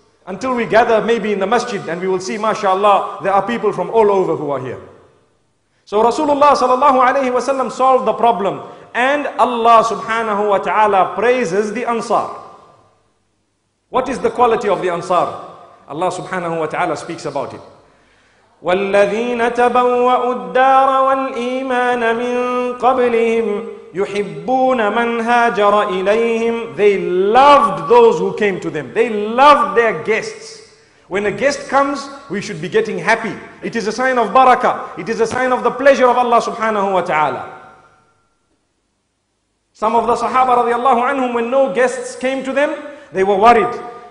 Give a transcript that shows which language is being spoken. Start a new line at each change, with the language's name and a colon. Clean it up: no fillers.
English: Until we gather maybe in the masjid and we will see, mashallah, there are people from all over who are here. So Rasulullah sallallahu alayhi wa sallam solved the problem. And Allah subhanahu wa ta'ala praises the Ansar. What is the quality of the Ansar? Allah subhanahu wa ta'ala speaks about it.
Arabic: والذين تبوأوا الدار والإيمان من قبلهم يحبون من هاجر إليهم.
English: They loved those who came to them. They loved their guests. When a guest comes, we should be getting happy. It is a sign of barakah. It is a sign of the pleasure of Allah subhanahu wa ta'ala. Some of the Sahaba radiallahu anhum, when no guests came to them, they were worried.